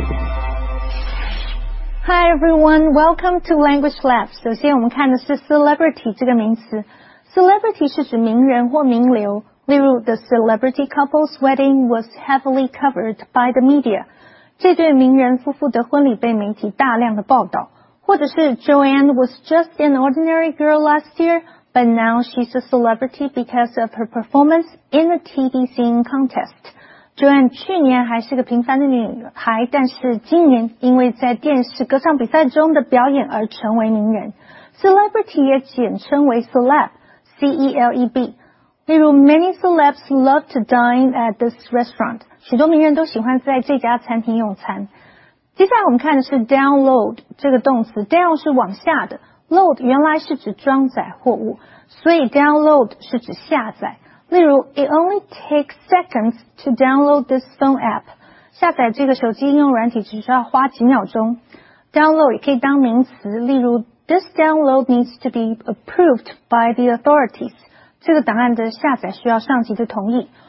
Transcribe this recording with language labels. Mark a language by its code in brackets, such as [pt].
[en] Hi everyone, welcome to Language Lab. [zh] 首先我们看的是 celebrity 这个名词。Celebrity 是指名人或名流。例如 [en] ,the celebrity couple's wedding was heavily covered by the media. [zh] 这对名人夫妇的婚礼被媒体大量的报道。 [en] 或者是 Joanne was just an ordinary girl last year, but now she's a celebrity because of her performance in a TV singing contest. [zh] Joanne 去年还是个平凡的女孩，但是今年因为在电视歌唱比赛中的表演而成为名人。 Celebrity 也简称为 celeb, C-E-L-E-B。例如 [en] ,many celebs love to dine at this restaurant. [zh] 许多名人都喜欢在这家餐厅用餐。接下来我们看的是 download 这个动词 ,down 是往下的 ,load 原来是指装载货物，所以 download 是指下载。例如 [en] ,it only takes seconds to download this phone app. [zh] 下载这个手机应用软体只需要花几秒钟。 [en] Download [zh] 也可以当名词，例如 [en] ,this download needs to be approved by the authorities. [zh] 这个档案的下载需要上级的同意。